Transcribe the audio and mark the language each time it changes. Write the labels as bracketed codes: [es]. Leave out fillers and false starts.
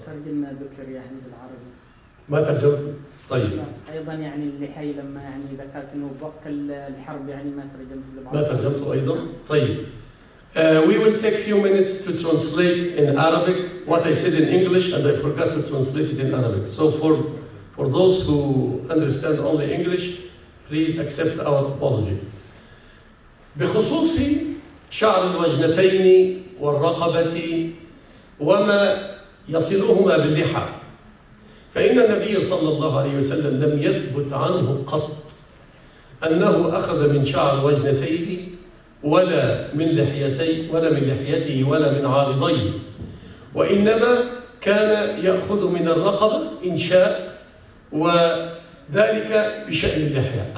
[ar] ترجم ما ذكر يعني بالعربي. ما ترجمت؟ طيب. أيضا يعني اللحي لما يعني ذكرت إنه وقت الحرب يعني ما ترجمت بالعربي. ما ترجمت أيضا؟ طيب. [en] We will take a few minutes to translate in Arabic what I said in English, and I forgot to translate it in Arabic. So for those who understand only English, please accept our apology. [ar] بخصوص شعر الوجنتين والرقبة وما يصلهما باللحى فإن النبي صلى الله عليه وسلم لم يثبت عنه قط أنه أخذ من شعر وجنتيه ولا من لحيتي ولا من لحيته ولا من عارضيه، وإنما كان يأخذ من الرقبة إن شاء، وذلك بشأن اللحية.